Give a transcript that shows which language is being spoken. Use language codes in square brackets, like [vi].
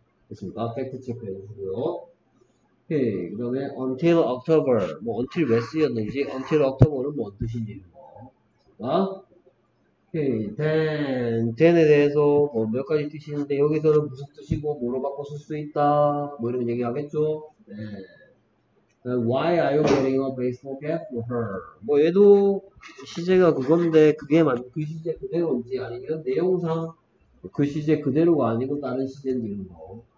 [ko] 됐습니까? 팩트 체크해 주시고요. Okay, 그 다음에 [en] until October. [ko] 뭐 until 왜 쓰였는지, until October는 뭔 뜻인지. 뭐. [en] Okay, then. [ko] then에 대해서 뭐 몇 가지 뜻이 있는데 여기서는 무슨 뜻이고 뭐로 바꿔 쓸 수 있다. 뭐 이런 얘기 하겠죠. 네. [en] Why are you getting a baseball cap for her? [ko] 뭐 얘도 시제가 그건데 그게 맞는 그 시제 그대로인지 아니면 내용상 그 시제 그대로가 아니고 다른 시제인지 이런 거.